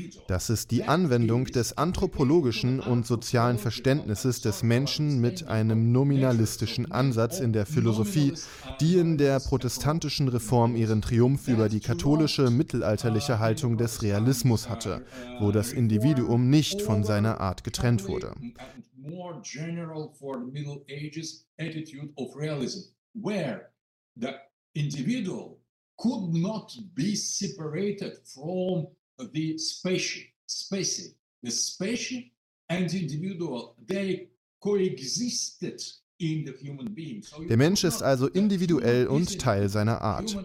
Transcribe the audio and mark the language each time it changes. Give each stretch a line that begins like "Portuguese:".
German: Das ist die Anwendung des anthropologischen und sozialen Verständnisses des Menschen mit einem nominalistischen Ansatz in der Philosophie, die in der protestantischen Reform ihren Triumph über die katholische mittelalterliche Haltung des Realismus hatte, wo das Individuum nicht von seiner Art getrennt wurde.
English: More general for the Middle Ages attitude of realism, where the individual could not be separated from the specie. The specie and the individual, they coexisted.
German: Der Mensch ist also individuell und Teil seiner Art.